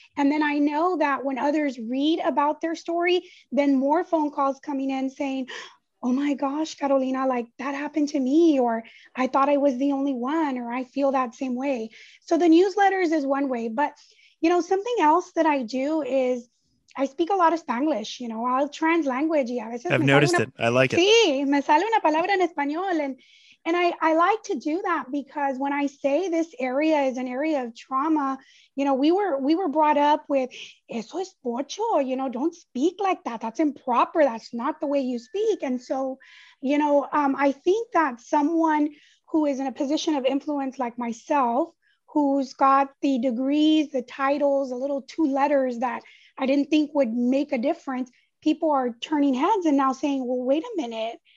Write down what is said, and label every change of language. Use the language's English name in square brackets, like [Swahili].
[English] And then I know that when others read about their story, then more phone calls coming in saying, oh my gosh, Carolina, like that happened to me, or I thought I was the only one, or I feel that same way. So the newsletters is one way, but you know, something else that I do is I speak a lot of Spanglish, you know, I'll translanguage. Yeah, I've noticed it. I like it. [Spanish] Sí, me sale una palabra en español. [English] And I like to do that because when I say this area is an area of trauma, you know, we were brought up with, eso es pocho, you know, don't speak like that. That's improper. That's not the way you speak. And so, you know, I think that someone who is in a position of influence like myself, who's got the degrees, the titles, a little two letters that I didn't think would make a difference, people are turning heads and now saying, well, wait a minute.